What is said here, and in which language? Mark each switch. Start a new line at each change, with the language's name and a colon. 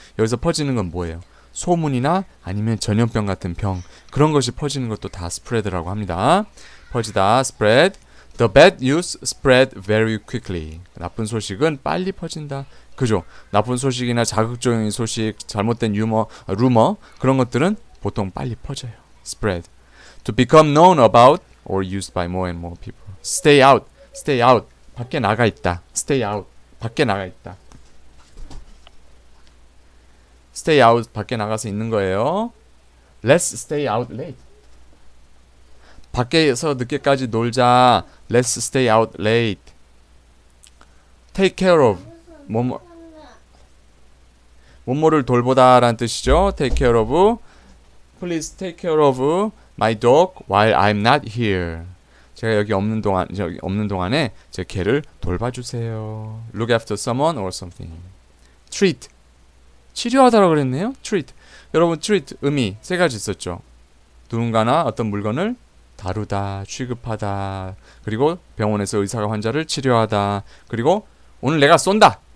Korean: 여기서 퍼지는 건 뭐예요? 소문이나 아니면 전염병 같은 병 그런 것이 퍼지는 것도 다 스프레드라고 합니다. 퍼지다, spread.
English: The bad news spread very quickly.
Korean: 나쁜 소식은 빨리 퍼진다. 그죠? 나쁜 소식이나 자극적인 소식, 잘못된 유머, 루머 그런 것들은 보통 빨리 퍼져요.
English: Spread. To become known about or used by more and more people. Stay out. Stay out.
Korean: 밖에 나가 있다.
English: Stay out. 밖에 나가 있다. Stay out.
Korean: 밖에 나가서 있는 거예요.
English: Let's stay out late.
Korean: 밖에서 늦게까지 놀자.
English: Let's stay out late. Take care of.
Korean: 뭐뭐를 돌보다 라는 뜻이죠.
English: Take care of. Please take care of my dog while I'm not here.
Korean: 제가 여기 없는 동안, 여기 없는 동안에 제 개를 돌봐주세요.
English: Look after someone or something. Treat.
Korean: 치료하다라고 그랬네요. Treat. 여러분, treat. 의미. 세 가지 있었죠. 누군가나 어떤 물건을 다루다, 취급하다, 그리고 병원에서 의사가 환자를 치료하다, 그리고 오늘 내가 쏜다!